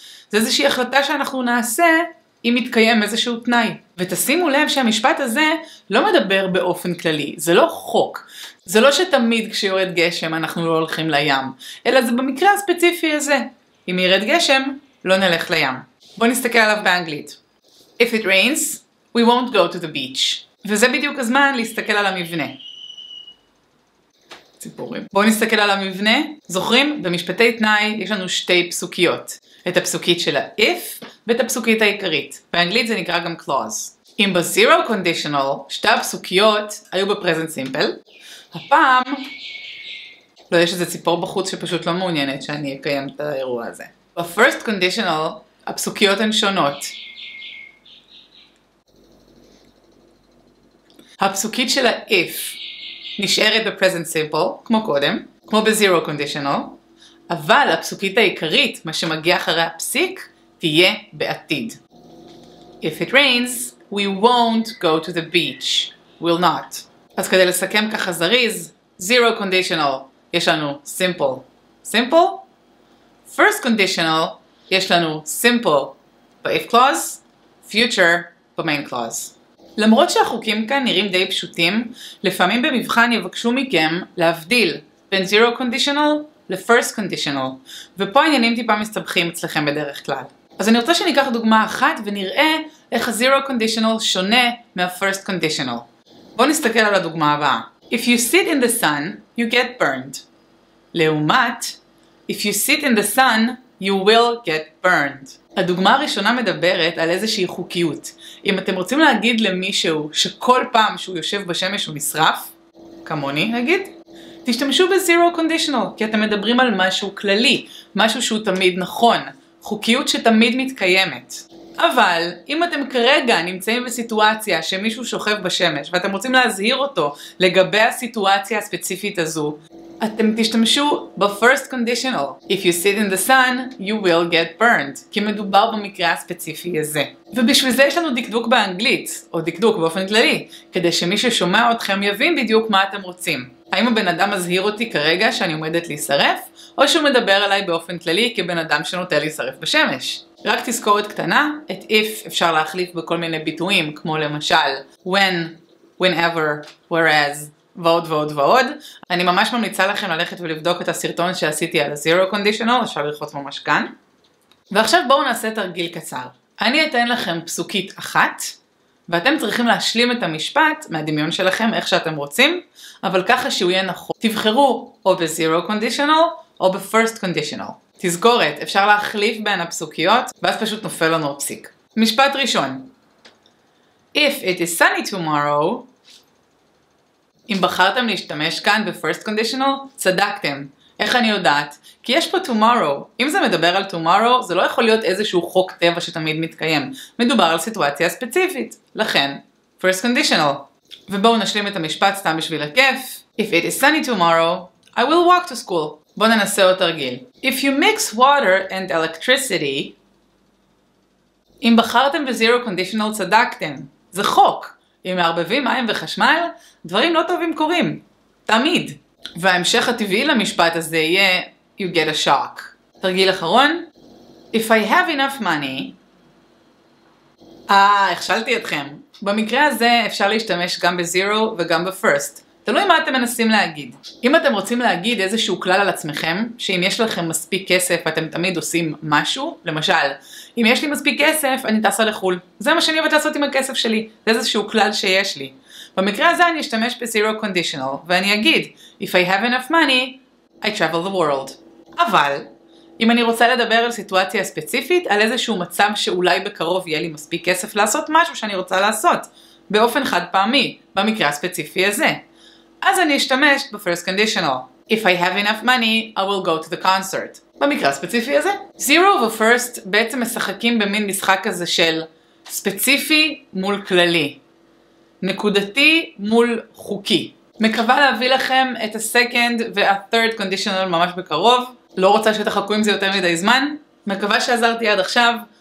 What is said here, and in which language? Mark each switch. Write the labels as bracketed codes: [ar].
[he] זה איזושהי החלטה שאנחנו נעשה אם יתקיים איזשהו תנאי. ותשימו לב שהמשפט הזה לא מדבר באופן כללי, זה לא חוק. זה לא שתמיד כשיורד גשם אנחנו לא הולכים לים, אלא זה במקרה הספציפי הזה. אם ירד גשם, לא נלך לים. בואו נסתכל עליו באנגלית. [en] If it rains, we won't go to the beach. [he] וזה בדיוק הזמן להסתכל על המבנה. ציפורים. בואו נסתכל על המבנה. זוכרים? במשפטי תנאי יש לנו שתי פסוקיות. את הפסוקית של ה-if ואת הפסוקית העיקרית. באנגלית זה נקרא גם clause. אם ב-zero conditional שתי הפסוקיות היו ב-present simple, הפעם, לא יש איזה ציפור בחוץ שפשוט לא מעוניינת שאני אקיים את האירוע הזה. ב-first conditional הפסוקיות הן שונות. הפסוקית של ה-if נשארת ב-present simple, כמו קודם, כמו ב-zero conditional, אבל הפסוקית העיקרית, מה שמגיע אחרי הפסיק, תהיה בעתיד. [en] If it rains, we won't go to the beach. We'll not. [he] אז כדי לסכם ככה זריז, zero conditional, יש לנו simple. [en] Simple? [he] First conditional, יש לנו simple. ב-if clause, future, ב-main clause. למרות שהחוקים כאן נראים די פשוטים, לפעמים במבחן יבקשו מכם להבדיל בין zero conditional ל-first conditional, ופה העניינים טיפה מסתבכים אצלכם בדרך כלל. אז אני רוצה שניקח דוגמה אחת ונראה איך ה-zero conditional שונה מה-first conditional. בואו נסתכל על הדוגמה הבאה. [en] If you sit in the sun, you get burned. [he] לעומת, [en] if you sit in the sun, you will get burned. [he] הדוגמה הראשונה מדברת על איזושהי חוקיות. אם אתם רוצים להגיד למישהו שכל פעם שהוא יושב בשמש הוא נשרף, כמוני נגיד, תשתמשו ב-zero conditional, כי אתם מדברים על משהו כללי, משהו שהוא תמיד נכון, חוקיות שתמיד מתקיימת. אבל אם אתם כרגע נמצאים בסיטואציה שמישהו שוכב בשמש ואתם רוצים להזהיר אותו לגבי הסיטואציה הספציפית הזו, אתם תשתמשו ב-first conditional. [en] If you sit in the sun, you will get burned, [he] כי מדובר במקרה הספציפי הזה. ובשביל זה יש לנו דקדוק באנגלית, או דקדוק באופן כללי, כדי שמי ששומע אתכם יבין בדיוק מה אתם רוצים. האם הבן אדם מזהיר אותי כרגע שאני עומדת להישרף, או שהוא מדבר עליי באופן כללי כבן אדם שנוטה להישרף בשמש? רק תזכורת קטנה, את if אפשר להחליף בכל מיני ביטויים, כמו למשל when, whenever, whereas, ועוד ועוד ועוד. אני ממש ממליצה לכם ללכת ולבדוק את הסרטון שעשיתי על ה-zero conditional, אפשר ללחוץ ממש כאן. ועכשיו בואו נעשה תרגיל קצר. אני אתן לכם פסוקית אחת, ואתם צריכים להשלים את המשפט מהדמיון שלכם איך שאתם רוצים, אבל ככה שהוא יהיה נכון. תבחרו או ב-zero conditional או ב-first conditional. תזכורת, אפשר להחליף בין הפסוקיות, ואז פשוט נופל לנו הפסיק. משפט ראשון. [en] If it is sunny tomorrow, [he] אם בחרתם להשתמש כאן ב-first conditional, צדקתם. איך אני יודעת? כי יש פה tomorrow. אם זה מדבר על tomorrow, זה לא יכול להיות איזשהו חוק טבע שתמיד מתקיים. מדובר על סיטואציה ספציפית. לכן, first conditional. ובואו נשלים את המשפט סתם בשביל הכיף. [en] If it is sunny tomorrow, I will walk to school. [he] בואו ננסה עוד תרגיל. [en] If you mix water and electricity, [he] אם בחרתם ב-zero conditional, צדקתם. זה חוק. אם מערבבים מים וחשמל, דברים לא טובים קורים. תמיד. וההמשך הטבעי למשפט הזה יהיה [en] you get a shock. [he] תרגיל אחרון. [en] If I have enough money, [he] הכשלתי אתכם. במקרה הזה אפשר להשתמש גם ב-zero וגם ב-first. תלוי מה אתם מנסים להגיד. אם אתם רוצים להגיד איזשהו כלל על עצמכם, שאם יש לכם מספיק כסף אתם תמיד עושים משהו, למשל, אם יש לי מספיק כסף אני טסה לחול. זה מה שאני אוהבת לעשות עם הכסף שלי, זה איזשהו כלל שיש לי. במקרה הזה אני אשתמש ב-zero conditional, ואני אגיד, [en] If I have enough money, I travel the world. [he] אבל, אם אני רוצה לדבר על סיטואציה ספציפית, על איזשהו מצב שאולי בקרוב יהיה לי מספיק כסף לעשות משהו שאני רוצה לעשות, באופן חד פעמי, במקרה הספציפי הזה. אז אני אשתמש ב-first conditional. [en] If I have enough money, I will go to the concert. [he] במקרה הספציפי הזה. Zero ו-first בעצם משחקים במין משחק הזה של ספציפי מול כללי. נקודתי מול חוקי. מקווה להביא לכם את ה-second וה-third conditional ממש בקרוב. לא רוצה שתחכו עם זה יותר מדי זמן. מקווה שעזרתי עד עכשיו.